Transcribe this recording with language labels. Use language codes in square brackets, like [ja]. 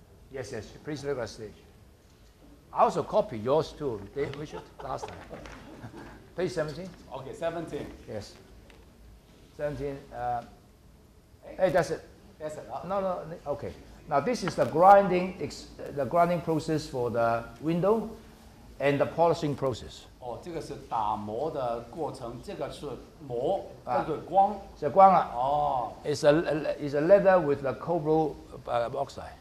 [en] Yes, yes, please look at stage. I also copy yours too, Dave Richard, last time. Page 17? Okay, 17. Yes. 17. Hey, that's it. That's it. No, no, okay. Now, this is the grinding process for the window and the polishing process. [zh] Oh, 这个是打磨的过程，这个是磨，这个光，是光啊。 [en] Oh, it's a leather with the cobalt oxide.